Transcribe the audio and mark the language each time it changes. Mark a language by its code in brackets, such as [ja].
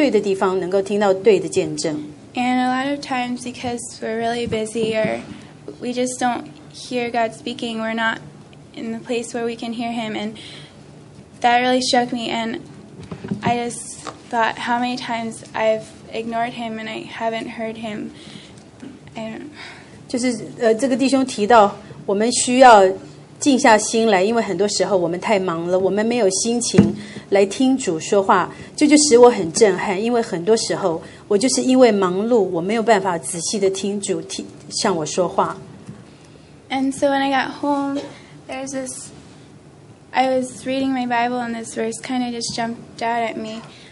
[zh] 第一天有人做见证，这个弟兄分享的就是说，我们要在对的地方能够听到对的见证。 [en] And a lot of times, because we're really busy or we just don't hear God speaking, we're not in the place where we can hear Him, and that really struck me. And I just thought how many times I've ignored Him and I haven't heard Him. And [zh] 就是这个弟兄提到，我们需要 静下心来，因为很多时候我们太忙了，我们没有心情来听主说话，这就使我很震撼。因为很多时候，我就是因为忙碌，我没有办法仔细的听主向我说话。 [en] And so when I got home, there's this. I was reading my Bible, and this verse kind of just jumped out at me.